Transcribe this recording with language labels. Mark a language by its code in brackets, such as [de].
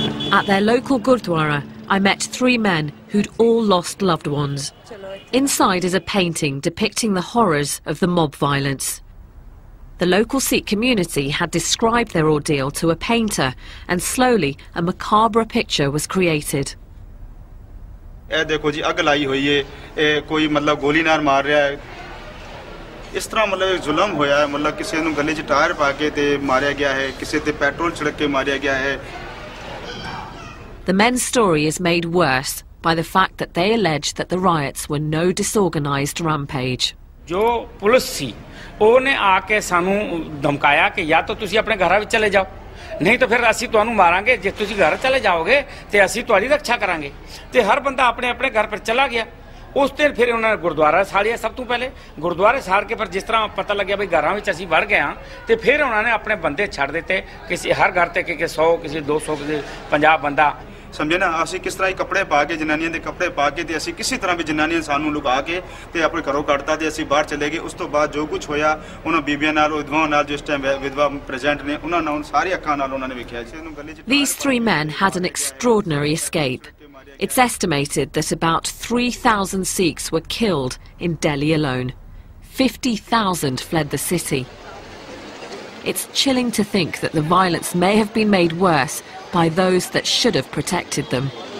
[en] At their local Gurdwara, I met three men who'd all lost loved ones. Inside is a painting depicting the horrors of the mob violence. The local Sikh community had described their ordeal to a painter, and slowly a macabre picture was created. [pa] ਇਹ ਦੇਖੋ ਜੀ ਅੱਗ ਲਾਈ ਹੋਈ ਏ ਇਹ ਕੋਈ ਮਤਲਬ ਗੋਲੀ ਨਾਲ ਮਾਰ ਰਿਹਾ ਹੈ ਇਸ ਤਰ੍ਹਾਂ ਮਤਲਬ ਜ਼ੁਲਮ ਹੋਇਆ ਹੈ, ਮਤਲਬ ਕਿਸੇ ਨੂੰ ਗਲੇ 'ਚ ਟਾਇਰ ਪਾ ਕੇ ਅਤੇ ਮਾਰਿਆ ਗਿਆ ਹੈ, ਕਿਸੇ 'ਤੇ ਪੈਟਰੋਲ ਛਿੜਕ ਕੇ ਮਾਰਿਆ ਗਿਆ ਹੈ. [en] The men's story is made worse by the fact that they allege that the riots were no disorganized rampage. [pa] ਜੋ ਪੁਲਿਸ ਸੀ ਉਹਨੇ ਆ ਕੇ ਸਾਨੂੰ ਧਮਕਾਇਆ ਕਿ ਜਾਂ ਤਾਂ ਤੁਸੀਂ ਆਪਣੇ ਘਰਾਂ ਵਿੱਚ ਚਲੇ ਜਾਓ, ਨਹੀਂ ਤਾਂ ਫਿਰ ਅਸੀਂ ਤੁਹਾਨੂੰ ਮਾਰਾਂਗੇ ਜੇ ਤੁਸੀਂ ਘਰ ਚਲੇ ਜਾਓਗੇ ਤੇ ਅਸੀਂ ਤੁਹਾਡੀ ਰੱਖਿਆ ਕਰਾਂਗੇ. ਤੇ ਹਰ ਬੰਦਾ ਆਪਣੇ ਆਪਣੇ ਘਰ ਪਰ ਚਲਾ ਗਿਆ. ਉਸ ਤੇ ਫਿਰ ਉਹਨਾਂ ਨੇ ਗੁਰਦੁਆਰਾ ਸਾੜਿਆ. ਸਭ ਤੋਂ ਪਹਿਲੇ ਗੁਰਦੁਆਰੇ ਸਾੜ ਕੇ ਪਰ ਜਿਸ ਤਰ੍ਹਾਂ ਪਤਾ ਲੱਗਿਆ ਵੀ ਘਰਾਂ ਵਿੱਚ ਅਸੀਂ ਵੜ ਗਏ ਹਾਂ, ਤੇ ਫਿਰ ਉਹਨਾਂ ਨੇ ਆਪਣੇ ਬੰਦੇ ਛੱਡ ਦਿੱਤੇ ਕਿਸੇ ਹਰ ਘਰ ਤੇ, ਕਿਸੇ 100, ਕਿਸੇ 200, ਕਿਸੇ 50 ਬੰਦਾ. ਸਮਝੇ ਨਾ, ਅਸੀਂ ਕਿਸ ਤਰ੍ਹਾਂ ਕੱਪੜੇ ਪਾ ਕੇ, ਜਨਾਨੀਆਂ ਦੇ ਕੱਪੜੇ ਪਾ ਕੇ, ਤੇ ਅਸੀਂ ਕਿਸੇ ਤਰ੍ਹਾਂ ਵੀ ਜਨਾਨੀਆਂ ਸਾਨੂੰ ਲੁਕਾ ਕੇ ਤੇ ਆਪਣੇ ਘਰੋਂ ਕੱਢਤਾ ਤੇ ਅਸੀਂ ਬਾਹਰ ਚਲੇ ਗਏ. ਉਸ ਤੋਂ ਬਾਅਦ ਜੋ ਕੁਝ ਹੋਇਆ ਉਹਨਾਂ ਬੀਬੀਆਂ ਨਾਲ, ਵਿਧਵਾਵਾਂ ਨਾਲ, ਜਿਸ ਟਾਈਮ ਵਿਧਵਾ ਪ੍ਰੈਜ਼ੈਂਟ ਨੇ, ਉਹਨਾਂ ਨਾਲ ਸਾਰੀ ਅੱਖਾਂ ਨਾਲ ਉਹਨਾਂ ਨੇ ਵੇਖਿਆ. [en] These three men had an extraordinary escape. It's estimated that about 3,000 Sikhs were killed in Delhi alone. 50,000 fled the city. It's chilling to think that the violence may have been made worse by those that should have protected them.